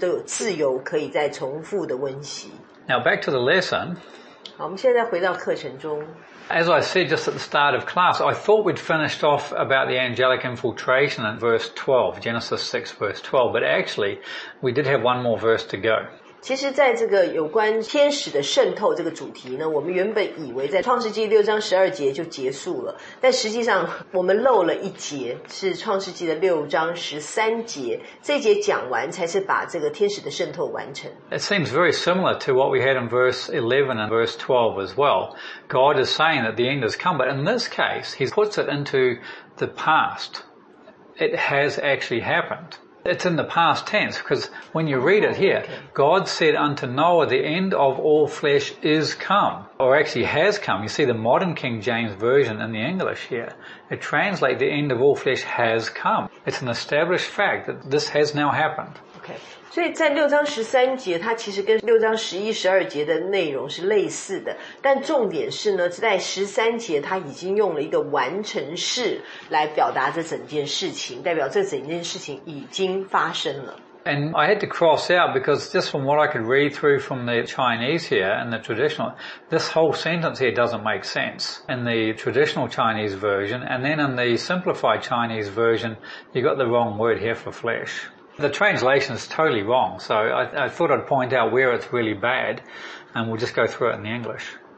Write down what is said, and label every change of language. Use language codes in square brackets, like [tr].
[zh] 所以这个建议呢，主要是说它其实占的空间也不会太大，不论是放到电脑里，或者是你的USB，或者是你的这个硬碟里，都是一个很必要的一个行为。这样的话，将来我们随时都有自由可以再重复的温习。 [en] Now back to the lesson. [zh] 好，我们现在回到课程中。 [en] As I said just at the start of class, I thought we'd finished off about the angelic infiltration at verse 12, Genesis 6 verse 12, but actually we did have one more verse to go. [zh] 其实在这个有关天使的渗透这个主题呢，我们原本以为在创世纪六章十二节就结束了，但实际上我们漏了一节，是创世纪的六章十三节。这节讲完才是把这个天使的渗透完成。 [en] It seems very similar to what we had in verse 11 and verse 12 as well. God is saying that the end has come, but in this case, he puts it into the past. It has actually happened. It's in the past tense, because when you read it here, God said unto Noah, the end of all flesh is come, or actually has come. You see the modern King James Version in the English here. It translates the end of all flesh has come. It's an established fact that this has now happened. Okay. [zh] 所以在六章十三节，它其实跟六章十一、十二节的内容是类似的，但重点是呢，在十三节它已经用了一个完成式来表达这整件事情，代表这整件事情已经发生了。 [en] And I had to cross out because just from what I could read through from the Chinese here and the traditional, this whole sentence here doesn't make sense in the traditional Chinese version, and then in the simplified Chinese version, you got the wrong word here for flesh. The translation is totally wrong, so I thought I'd point out where it's really bad, and we'll just go through it in the English.